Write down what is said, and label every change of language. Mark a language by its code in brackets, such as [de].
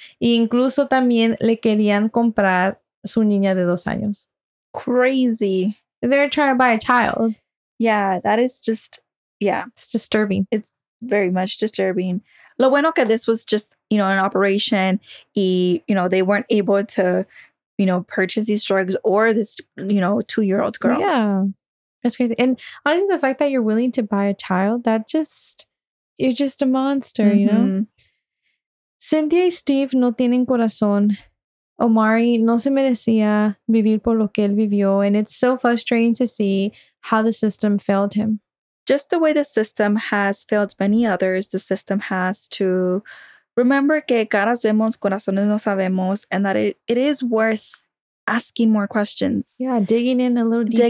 [es] E incluso también le querían comprar su niña de 2 años. [en] Crazy. They're trying to buy a child. Yeah, that is just, yeah. It's disturbing. It's very much disturbing. Lo bueno que this was just, you know, an operation. Y, you know, they weren't able to, you know, purchase these drugs or this, you know, 2-year-old girl. Yeah. That's crazy. And honestly, the fact that you're willing to buy a child, that just, you're just a monster, mm-hmm. you know? [es] Cynthia y Steve no tienen corazón. Omari no se merecía vivir por lo que él vivió. [en] And it's so frustrating to see how the system failed him. Just the way the system has failed many others, the system has to remember que caras vemos, corazones no sabemos, and that it is worth asking more questions. Yeah, digging in a little deeper.